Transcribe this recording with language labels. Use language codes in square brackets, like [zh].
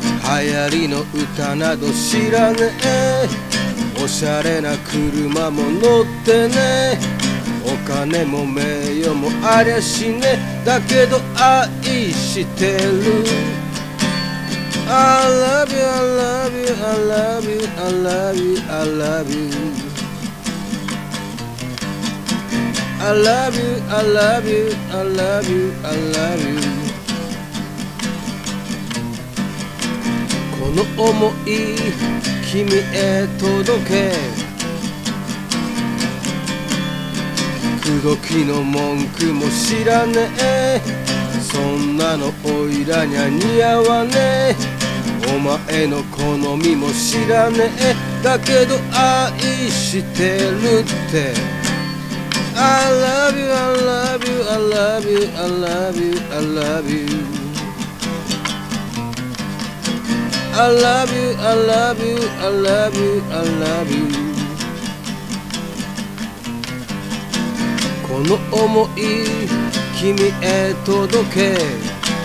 [ja] 流行りの歌など知らねえ、おしゃれな車も乗ってねえ、お金も名誉もありゃしねえ、だけど愛してる。 [en] I love you, I love you, I love you, I love you, I love you. I love you, I love you, I love you, I love you. [ja] この想い君へ届け、口説きの文句も知らねえ、そんなのおいらにゃ似合わねえ、お前の好みも知らねえ、だけど愛してるって。 [en] I love you, I love you, I love you, I love you, I love you. I love you, I love you, I love you, I love you. [ja] この想い君へ届け、